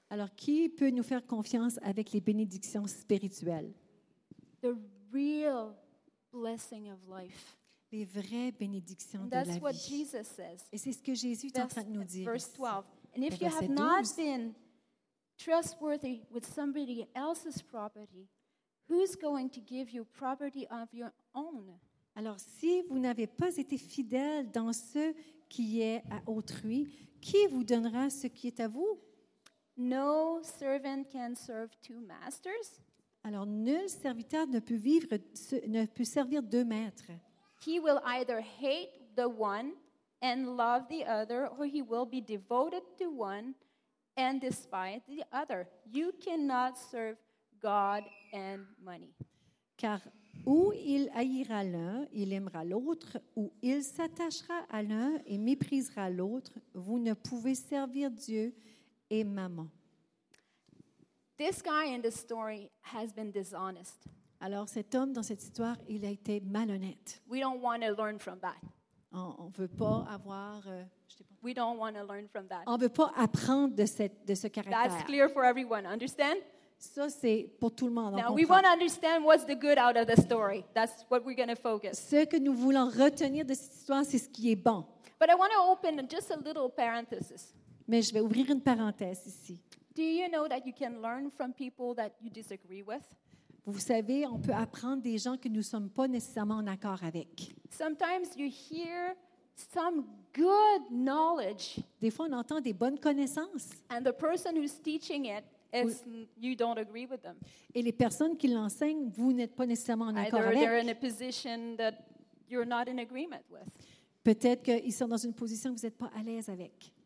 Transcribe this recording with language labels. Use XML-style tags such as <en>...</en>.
<fr>Alors, qui peut nous faire confiance avec les bénédictions spirituelles?</fr> <en>The real blessing of life.</en> <fr>Les vraies bénédictions de la vie.</fr> <en>That's what Jesus says.</en> <fr>Et c'est ce que Jésus est en train de nous dire.</fr> <en>Verse 12. And if you have not been trustworthy with somebody else's property, who's going to give you property of your own?</en> <fr>Alors, si vous n'avez pas été fidèle dans ce qui est à autrui, qui vous donnera ce qui est à vous?</fr> <en>No servant can serve two masters.</en> <fr>Alors, nul serviteur ne peut servir deux maîtres.</fr> <en>He will either hate the one and love the other, or he will be devoted to one and despise the other. You cannot serve God and money.</en> <fr>Car ou il haïra l'un, il aimera l'autre, ou il s'attachera à l'un et méprisera l'autre. Vous ne pouvez servir Dieu et maman.</fr> <en>This guy in the story has been dishonest.</en> <fr>Alors cet homme dans cette histoire, il a été malhonnête.</fr> <en>We don't want to learn from that.</en> <fr>On veut pas avoir.</fr> <en>We don't want to learn from that.</en> <fr>On veut pas apprendre de ce caractère.</fr> <en>That's clear for everyone. Understand?</en> <fr>Ça, c'est pour tout le monde.</fr> <en>Now, we want to understand what's the good out of the story. That's what we're going to focus.</en> <fr>Ce que nous voulons retenir de cette histoire, c'est ce qui est bon.</fr> <en>But I want to open just a little parenthesis.</en> <fr>Mais je vais ouvrir une parenthèse ici.</fr> <en>Do you know that you can learn from people that you disagree with?</en> <fr>Vous savez, on peut apprendre des gens que nous ne sommes pas nécessairement en accord avec.</fr> <en>Sometimes you hear some good knowledge.</en> <fr>Des fois, on entend des bonnes connaissances.</fr> <en>And the person who's teaching it, you don't agree with them.</en> <fr>Et les personnes qui l'enseignent, vous n'êtes pas nécessairement en accord avec.</fr> <en>Either they're in a position that you're not in agreement with.</en> <fr>Peut-être qu'ils sont dans une position que vous n'êtes pas à l'aise avec.</fr>